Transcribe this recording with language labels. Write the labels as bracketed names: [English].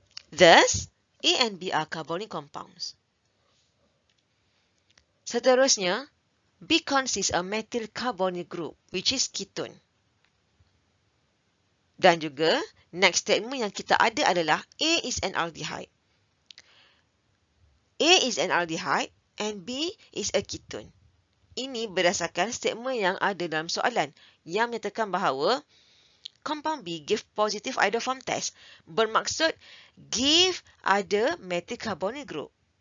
[English] Thus, A and B are carbonyl compounds. Seterusnya, B consists a methyl carbonyl group, which is ketone. [Malay] Dan juga, next statement yang kita ada adalah [English] A is an aldehyde. A is an aldehyde and B is a ketone. [Malay] Ini berdasarkan statement yang ada dalam soalan yang menyatakan bahawa [English] compound B give positive iodoform test. [Malay] Bermaksud give ada methyl carbonyl group.